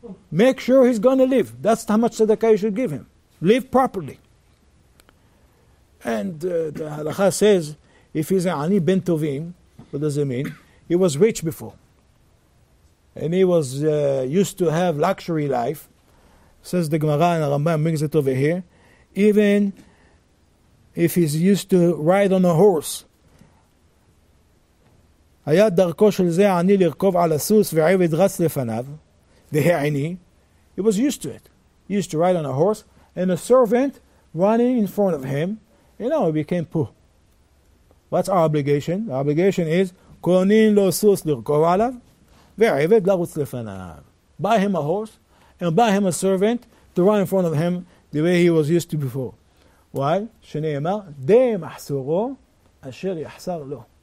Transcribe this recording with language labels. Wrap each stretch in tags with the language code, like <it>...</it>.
<en>Make sure he's going to live. That's how much tzedakah you should give him. Live properly. And the halakha says, if he's an ani ben tovim, what does it mean? He was rich before. And he was used to have luxury life. Says the Gemara, and the Rambam brings it over here. Even if he's used to ride on a horse,</en> <he>היה דרכו של זה עני לרכוב על הסוס ועבד רץ לפניו, והעני,</he> <en>he was used to it. He used to ride on a horse, and a servant running in front of him, you know, he became poor. What's our obligation? The obligation is,</en> <he>קונין לו סוס לרכוב עליו, ועבד לרוץ לפניו.</he> <en>Buy him a horse, and buy him a servant to run in front of him the way he was used to before. Why?</en> <he>שנאמר, די מחסורו אשר יחסר לו.</he>